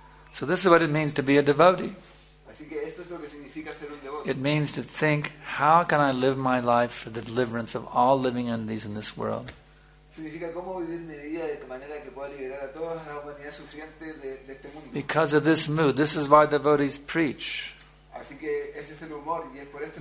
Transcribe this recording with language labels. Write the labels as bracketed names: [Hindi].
[English] So this is what it means to be a devotee. [Spanish] Así que esto es lo que significa ser un devoto. [English] It means to think, how can I live my life for the deliverance of all living entities in this world? [Spanish] Significa cómo vivir mi vida de manera que pueda liberar a toda la humanidad sufriente de este mundo. [English] Because of this mood, this is why devotees preach. [Spanish] Así que ese es el humor y es por esto.